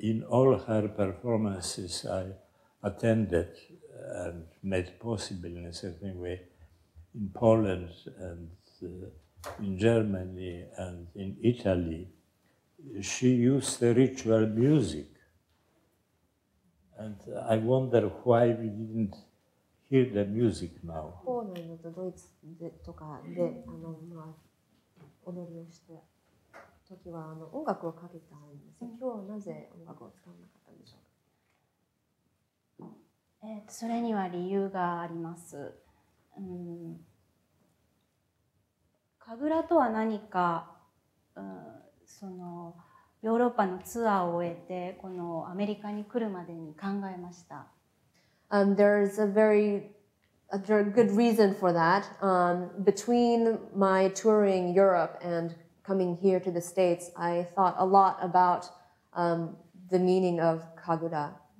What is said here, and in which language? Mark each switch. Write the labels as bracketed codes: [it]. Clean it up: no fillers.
[en] In all her performances I attended and made possible in a certain way in Poland and in Germany and in Italy, she used the ritual music. And I wonder why we didn't hear the music now. [ja] ポーランドとドイツとかで踊りをして時は音楽をかけたんですね。今日はなぜ音楽を使わなかったんでしょうか。それには理由があります。神楽とは何か、そのヨーロッパのツアーを終えてこのアメリカに来るまでに考えました。 [en] There is a very good reason for that. Between my touring Europe andComing here to the States, I thought a lot about the meaning of Kagura.